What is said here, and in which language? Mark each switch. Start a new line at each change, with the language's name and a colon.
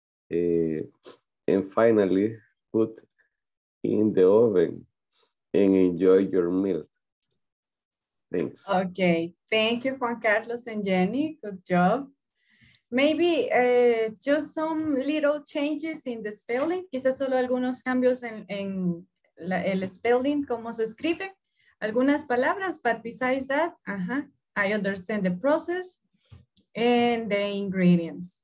English: And finally, put in the oven and enjoy your meal. Thanks. Okay, thank you, Juan Carlos and Jenny. Good job. Maybe just some little changes in the spelling.
Spanish: Quizás solo algunos cambios en el spelling, cómo se escribe. Algunas palabras,
English: but besides that, I understand the process and the ingredients.